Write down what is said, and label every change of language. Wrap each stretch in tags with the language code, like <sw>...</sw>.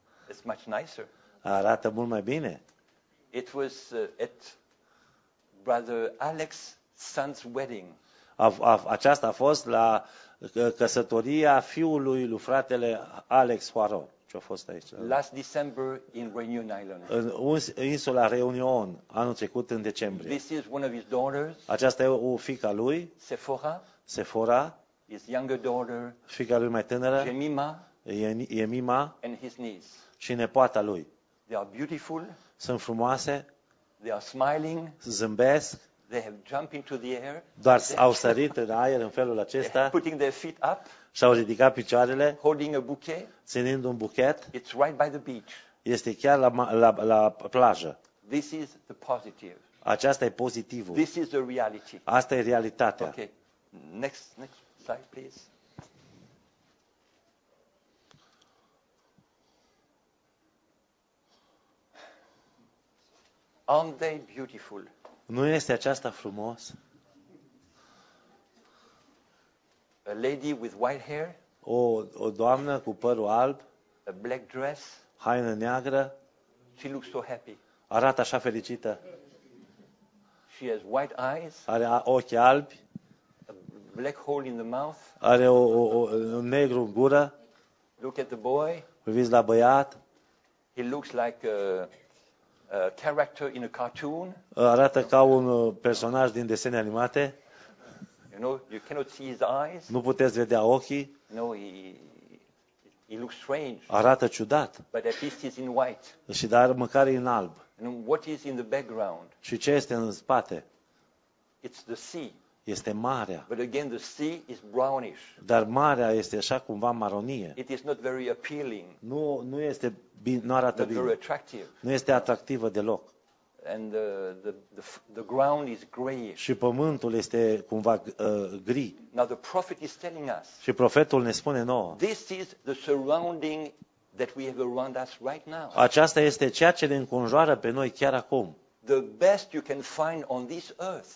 <en>It's much nicer.</en> <ro>Arată mult mai bine.</ro> <en>It was at Brother Alex son's wedding.</en> <ro>Aceasta a fost la căsătoria fiului lui fratele Alex Poirot, ce a fost aici.</ro> <en>Last December in Reunion Island.</en> <ro>În insula Reunion, anul trecut în decembrie.</ro> <en>This is one of his daughters.</en> <ro>Aceasta e o fiica lui.</ro> <en>Sephora. His younger daughter.</en> <ro>Fiica lui mai tânără.</ro> <en>Jemima. And his niece.</en> <ro>Și nepoata lui.</ro> <en>They are beautiful.</en> <ro>Sunt frumoase.</ro> <en>They are smiling.</en> <ro>Zâmbesc.</ro> <en>They have jumped into the air.</en> <ro>Doar au sărit în aer în felul acesta.</ro> <en>Putting their feet up.</en> <ro>Și-au ridicat picioarele.</ro> <en>Holding a bouquet.</en> <ro>Ținând un buchet.</ro> <en>It's right by the beach.</en> <ro>Este chiar la plajă.</ro> <en>This is the positive.</en> <ro>Aceasta e pozitivul.</ro> <en>This is the reality.</en> <ro>Asta e realitatea.</ro> <en>Okay. Next slide, please. Aren't they beautiful?</en> <ro>Nu este aceasta frumos?</ro> <en>A lady with white hair?</en> <ro>O doamnă cu părul alb?</ro> <en>A black dress?</en> <ro>Haină neagră?</ro> <en>She looks so happy.</en> <ro>Arată așa fericită.</ro> <en>She has white eyes?</en> <ro>Are ochi albi?</ro> <en>A black hole in the mouth?</en> <ro>Are un negru în gură?</ro> <en>Look at the boy?</en> <ro>Priviți la băiat?</ro> <en>He looks like a character in a cartoon.</en> <ro>Arată ca un personaj din desene animate.</ro> <en>You know, you cannot see his eyes.</en> <ro>Nu puteți vedea ochii.</ro> <en>No, he looks strange.</en> <ro>Arată ciudat.</ro> <en>But at least he's in white.</en> <ro>Și dar măcar e în alb.</ro> <en>And what is in the background?</en> <ro>Și ce este în spate?</ro> <en>It's the sea.</en> <ro>Este marea.</ro> <en>But again, the sea is brownish.</en> <ro>Dar marea este așa cumva maronie.</ro> <en>It is not very appealing.</en> <ro>Nu este bine, nu arată bine.</ro> <en>Not very attractive.</en> <ro>Nu este atractivă deloc.</ro> <en>And the ground is grayish.</en> <ro>Și pământul este cumva gri.</ro> <en>Now the prophet is telling us.</en> <ro>Și profetul ne spune nouă.</ro> <en>This is the surrounding that we have around us right now.</en> <ro>Aceasta este ceea ce ne înconjoară pe noi chiar acum.</ro> <en>The best you can find on this earth.</en>